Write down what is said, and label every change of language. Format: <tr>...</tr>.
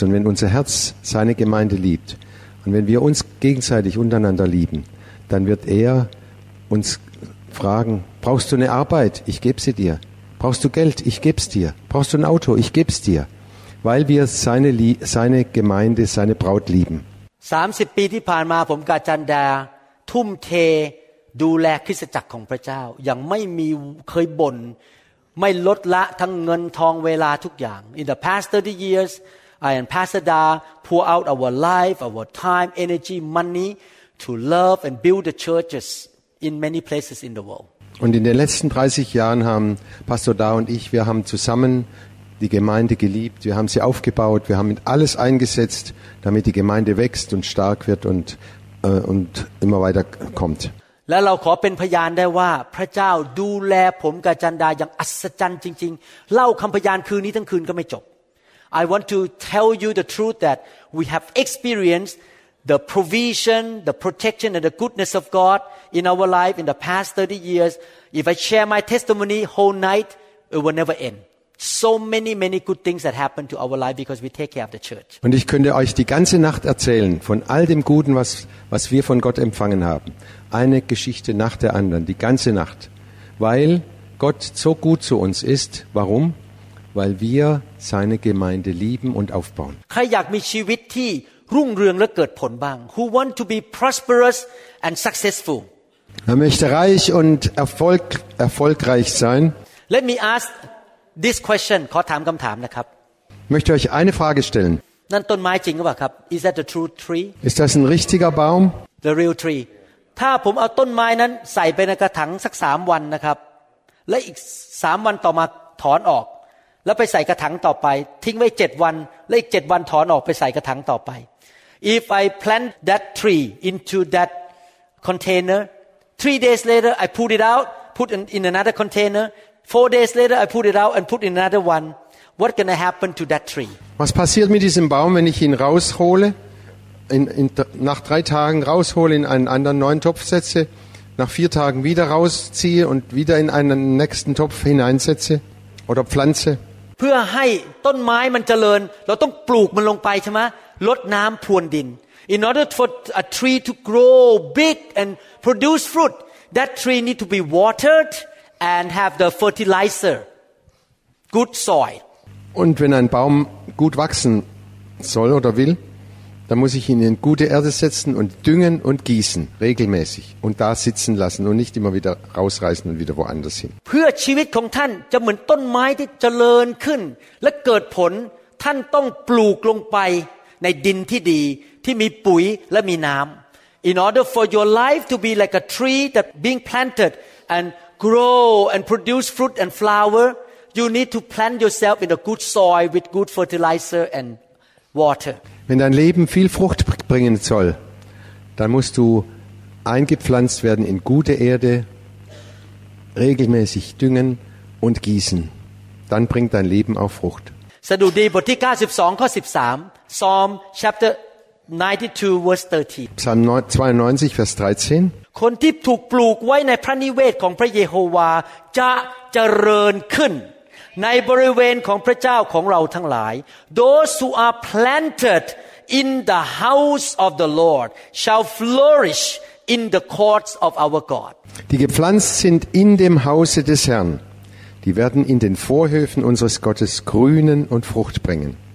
<de>Und wenn unser Herz seine Gemeinde liebt und wenn wir uns gegenseitig untereinander lieben, dann wird er uns fragen: Brauchst du eine Arbeit? Ich gebe sie dir. Brauchst du Geld? Ich gebe es dir. Brauchst du ein Auto? Ich gebe es dir, weil wir seine Gemeinde, seine Braut lieben.</de> <th>30ปีที่ผ่านมาผมกาจันดาทุ่มเทดูแลคริสตจักรของพระเจ้าอย่างไม่มีเคยบ่นไม่ลดละทั้งเงินทองเวลาทุกอย่าง</th> <en>In the past 30 years I and Pastor Da pour out our life our time energy money to love and build the churches in many places in the world</en> <de>Und in den letzten 30 Jahren haben Pastor Da und ich wir haben zusammenDie Gemeinde geliebt, wir haben sie aufgebaut, wir haben alles eingesetzt, damit die Gemeinde wächst und stark wird und immer weiter kommt. Und wir können sagen, dass Gott mich und Gajanda so unglaublich liebt. Ich kann nicht mehr sagen, dass Gott mich nicht mehr liebt. Ich möchte Ihnen die Wahrheit sagen, dass wir die Erfahrung, die Provision, die Protection und die Gottes von Gott in unserem Leben in den letzten 30 Jahren haben. Wenn ich mein Testimony die ganze Nacht teile, wird es nie enden.</de> <en>So many good things that happen to our life because we take care of the church.</en> <de>Und ich könnte euch die ganze Nacht erzählen von all dem Guten, was wir von Gott empfangen haben. Eine Geschichte nach der anderen, die ganze Nacht. Weil Gott so gut zu uns ist. Warum? Weil wir seine Gemeinde lieben und aufbauen. Wer will ein Leben, das blüht und das Ergebnis bringt?</de> <en>Who want to be prosperous and successful?</en> <de>Wer möchte reich und erfolgreich sein?</de> <en>Let me ask. This question</en> <th>ขอถามคำถามนะครับ</th> <de>Möchte euch eine Frage stellen</de> <th>นั่นต้นไม้จริงหรือเปล่าครับ</th> <en>Is that the true tree</en> <de>Ist das ein richtiger Baum</de> <en>The real tree</en> <th>ถ้าผมเอาต้นไม้นั้นใส่ไปในกระถางสัก3วันนะครับและอีก3วันต่อมาถอนออกแล้วไปใส่กระถางต่อไปทิ้งไว้7วันและอีก7วันถอนออกไปใส่กระถางต่อไป</th> <en>If I plant that tree into that container 3 days later I pull it out put in another containerFour days later, I put it out and put in another one. What's going to happen to that tree?</en> <de>Was passiert mit diesem Baum, wenn ich ihn raushole, nach 3 Tagen raushole, in einen anderen neuen Topf setze, nach 4 Tagen wieder rausziehe und wieder in einen nächsten Topf hineinsetze oder pflanze?</de> <th>เพื่อให้ต้นไม้มันเจริญเราต้องปลูกมันลงไปใช่ไหมลดน้ำพรวนดิน</th> <en>In order for a tree to grow big and produce fruit, that tree need to be watered. And have the fertilizer, good soil.</en> <de>Und wenn ein Baum gut wachsen soll oder will, dann muss ich ihn in gute Erde setzen und düngen und gießen regelmäßig und da sitzen lassen und nicht immer wieder rausreißen und wieder woanders hin.</de> <th>เพื่อชีวิตของท่านจะเหมือนต้นไม้ที่เจริญขึ้นและเกิดผลท่านต้องปลูกลงไปในดินที่ดีที่มีปุ๋ยและมีน้ำ</th> <en>In order for your life to be like a tree that being planted andGrow and produce fruit and flower. You need to plant yourself in a good soil with good fertilizer and water.</en> <de>Wenn dein Leben viel Frucht bringen soll, dann musst du eingepflanzt werden in gute Erde, regelmäßig düngen und gießen. Dann bringt dein Leben auch Frucht.</de> <th>สดุดีบทที่92ข้อ13</th> <en>Psalm chapter 92 verse 13.</en> <de>Psalm 92 vers 13.</de> <th>คนที่ถูกปลูกไว้ในพระนิเวศของพระเยโฮวาจะเจริญขึ้นในบริเวณของพระเจ้าของเราทั้งหลาย</th> <en>Those who are planted in the house of the Lord shall flourish in the courts of our God.</en> <de>Die gepflanzt sind in dem Hause des Herrn, die werden in den Vorhöfen unseres Gottes grünen und Frucht bringen.</de>